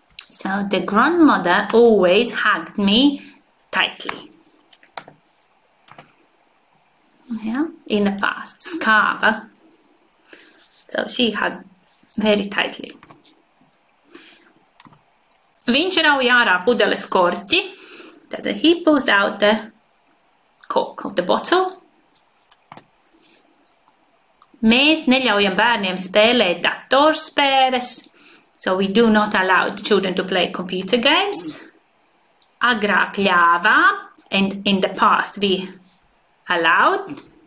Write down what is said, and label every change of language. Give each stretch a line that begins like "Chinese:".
English: So, the grandmother always hugged me tightly. Yeah, in the past, skāva. So, she hugged very tightly.
Latvian: Viņš rauj ārā pudeles korķi.
English: Then he pulls out the cork of the bottle.
Latvian: Mēs neļaujam bērniem spēlēt datorspēles.
English: So we do not allow children to play computer games.
Latvian: Agrāk ļāvām,
English: and in the past we allowed.